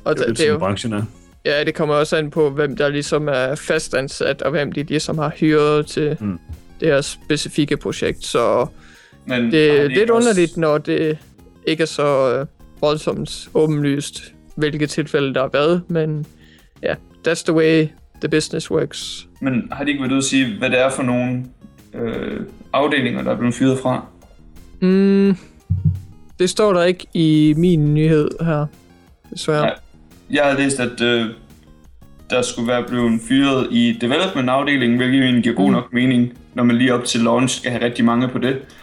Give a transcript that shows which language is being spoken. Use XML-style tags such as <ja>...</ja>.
<da>og det er jo... Det er branchen er. Ja, det kommer også an på, hvem der ligesom er fastansat, og hvem de ligesom har hyret til det her specifikke projekt. Så men det er lidt også... underligt, når det ikke er så voldsomt åbenlyst, hvilke tilfælde der har været. Men ja,</da> <en>that's the way the business works.</en> <da>Men har de ikke været ude at sige, hvad det er for nogle afdelinger, der er blevet fyret fra? Det står der ikke i min nyhed her, desværre. Nej. Jeg havde læst, at der skulle være blevet fyret i development-afdelingen, hvilket jo egentlig giver god nok mening, når man lige op til launch skal have rigtig mange på det.</da>